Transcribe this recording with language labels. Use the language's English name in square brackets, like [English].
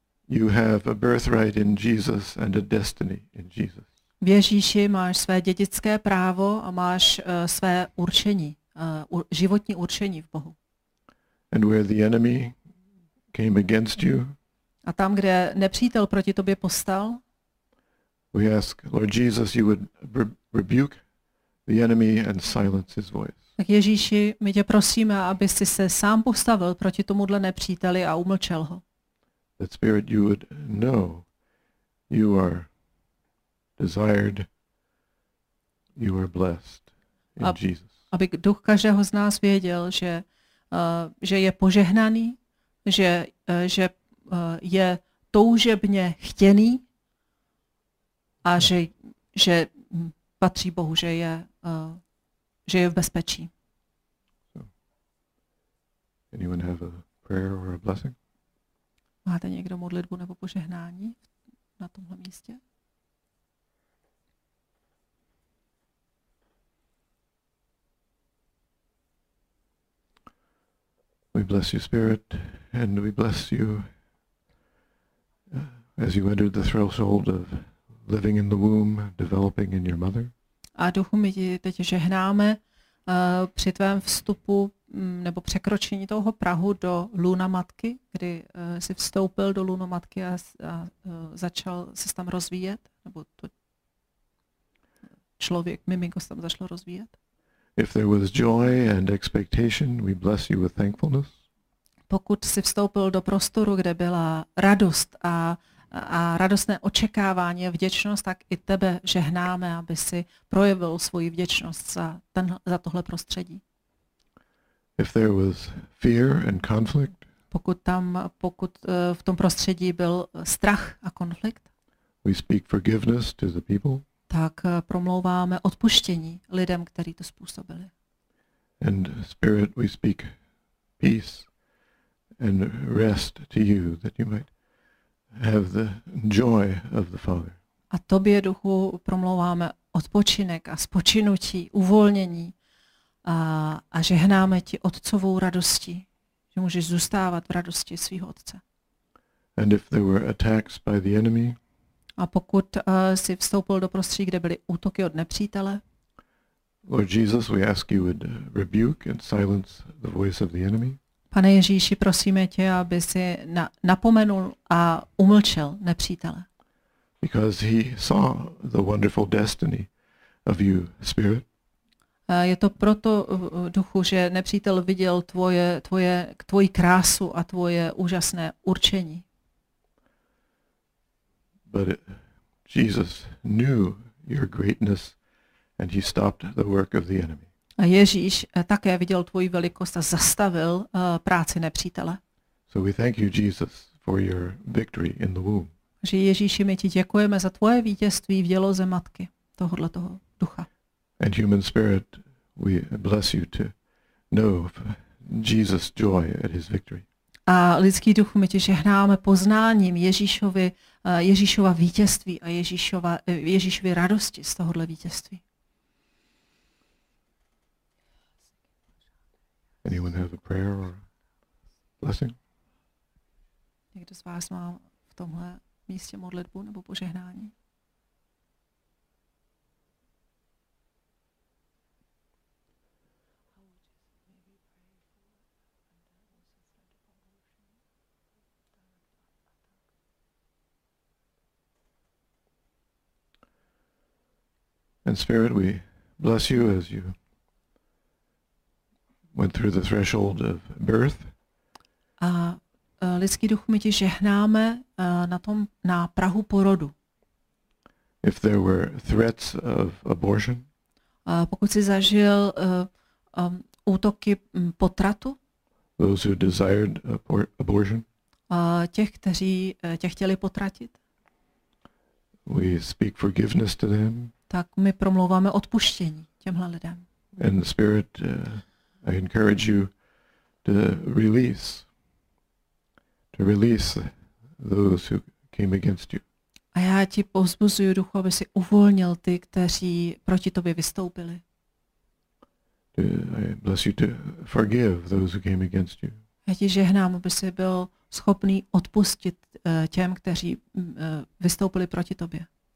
[English] You have a birthright in Jesus and a destiny in Jesus. [Czech] V Ježíši máš své dědické právo a máš své určení, životní určení v Bohu. [English] And where the enemy came against you, [Czech] a tam, kde nepřítel proti tobě postal, [English] we ask, Lord Jesus, you would rebuke the enemy and silence his voice. [Czech] Tak Ježíši, my tě prosíme, aby jsi se sám postavil proti tomuhle nepříteli a umlčel ho. [English] That Spirit, you would know you are desired, you are blessed in Jesus. [Czech] Aby duch každého z nás věděl, že je požehnaný, že je toužebně chtěný a že patří Bohu, že je v bezpečí. [English] So, anyone have a prayer or a blessing? [Czech] Máte někdo modlitbu nebo požehnání na tomhle místě? [English] We bless you, Spirit, and we bless you as you entered the threshold of living in the womb, developing in your mother. [Czech] A duchu, my ti teď žehnáme při tvém vstupu nebo překročení toho prahu do lůna matky, kdy jsi vstoupil do lůna matky a začal se tam rozvíjet, nebo to člověk, miminko se tam začalo rozvíjet. [English] If there was joy and expectation, we bless you with thankfulness. [Czech] Pokud jsi vstoupil do prostoru, kde byla radost a a radostné očekávání a vděčnost, tak i tebe žehnáme, aby si projevil svoji vděčnost za tohle prostředí. [English] If there was fear and conflict, [Czech] pokud v tom prostředí byl strach a konflikt, [English] we speak forgiveness to the people, [Czech] tak promlouváme odpuštění lidem, kteří to způsobili. [English] And spirit, we speak peace and rest to you, that you might have the joy of the Father. [Czech] A tobě, Duchu, promlouváme odpočinek a spočinutí, uvolnění a žehnáme ti otcovou radostí, že můžeš zůstávat v radosti svého otce. [English] And if there were attacks by the enemy, [Czech] a pokud jsi vstoupil do prostředí, kde byly útoky od nepřítele, [English] Lord Jesus, we ask you would rebuke and silence the voice of the enemy. [Czech] Pane Ježíši, prosíme tě, aby si napomenul a umlčel nepřítele. [English] Because he saw the wonderful destiny of you, Spirit. [Czech] Je to proto, Duchu, že nepřítel viděl tvoji krásu a tvoje úžasné určení. [English] But Jesus knew your greatness and he stopped the work of the enemy. [Czech] A Ježíš také viděl tvoji velikost a zastavil práci nepřítele. [English] So we thank you, Jesus, for your victory in the womb. [Czech] Že Ježíši, my ti děkujeme za tvoje vítězství v děloze matky, tohodle toho ducha. [English] And human spirit, we bless you to know Jesus' joy at his victory. [Czech] A lidský duch, my ti žehnáme poznáním Ježíšova vítězství a Ježíšovy radosti z tohodle vítězství. [English] Anyone have a prayer or blessing? [Czech] Někdo z vás má v tomhle místě modlitbu nebo požehnání? [English] And Spirit, we bless you as you went through the threshold of birth. [Czech] A lidský duch, my ti žehnáme na prahu porodu. [English] If there were threats of abortion, [Czech] pokud jsi zažil útoky potratu, [English] those who desired abortion, [Czech] těch, kteří tě chtěli potratit, [English] we speak forgiveness to them, [Czech] tak my promlouváme odpuštění těmhle lidem. [English] And the Spirit, I encourage you to release those who came against you. [Czech] A já ti povzbuzuju, Duchu, aby si uvolnil ty, kteří proti tobě vystoupili. [English] I bless you to forgive those who came against you. [Czech] Já ti žehnám, aby si byl schopný odpustit těm, kteří vystoupili proti tobě.